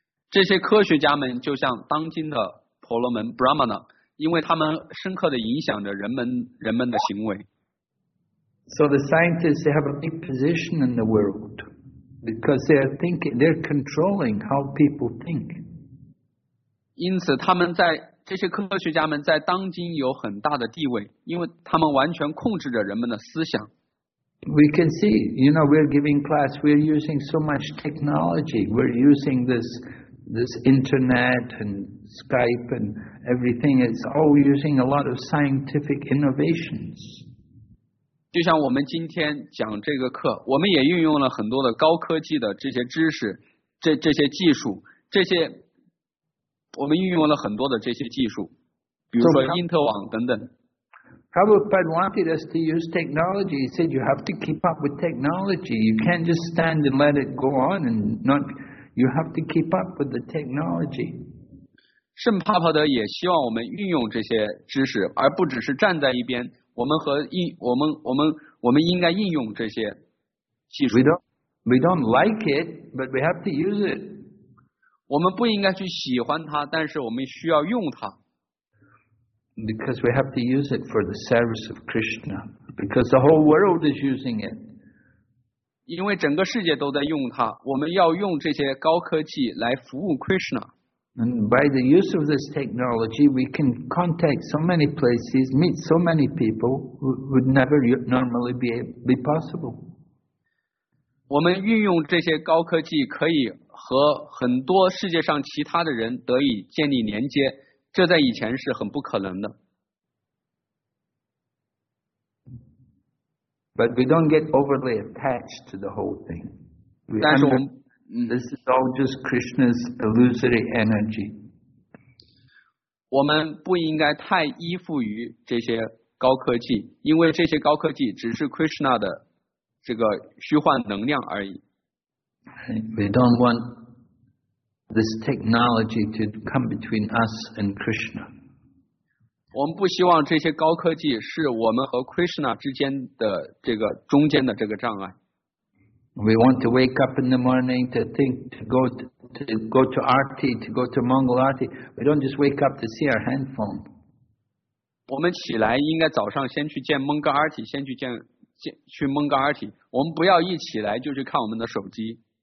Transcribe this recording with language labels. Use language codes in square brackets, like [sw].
[zh] 这些科学家们就像当今的婆罗门 Brahmana, 因为他们深刻地影响着人们的行为。 [en] So the scientists, they have a big position in the world. Because they're thinking, they're controlling how people think. [zh] 因此，他们在这些科学家们在当今有很大的地位，因为他们完全控制着人们的思想。 [en] We can see, you know, we're giving class, we're using so much technology. We're using this internet and Skype and everything. It's all using a lot of scientific innovations. [zh] 就像我们今天讲这个课，我们也运用了很多的高科技的这些知识，这些技术，这些我们运用了很多的这些技术，比如说因特网等等。 [en] Prabhupada wanted us to use technology. He said you have to keep up with technology. You can't just stand and let it go on and not. You have to keep up with the technology. [zh] 圣帕帕德也希望我们运用这些知识，而不只是站在一边。我们应该应用这些技术。 [en] We don't like it, but we have to use it. [zh] 我们不应该去喜欢它，但是我们需要用它。 [en] Because we have to use it for the service of Krishna. Because the whole world is using it. [zh] 因为整个世界都在用它，我们要用这些高科技来服务 Krishna。 [en] And by the use of this technology, we can contact so many places, meet so many people who would never normally be possible. [zh] 我们运用这些高科技，可以和很多世界上其他的人得以建立连接，这在以前是很不可能的。 [en] But we don't get overly attached to the whole thing. This is all just Krishna's illusory energy. [zh] 我们不应该太依附于这些高科技，因为这些高科技只是 Krishna 的这个虚幻能量而已。 [en] We don't want this technology to come between us and Krishna. [zh] 我们不希望这些高科技是我们和 Krishna 之间的这个中间的这个障碍。 [en] We want to wake up in the morning to think to go to Arti, to go to Mangal Arti. We don't just wake up to see our handphone. [zh] 我们起来应该早上先去见蒙哥阿提，先去见去蒙哥阿提。我们不要一起来就去看我们的手机。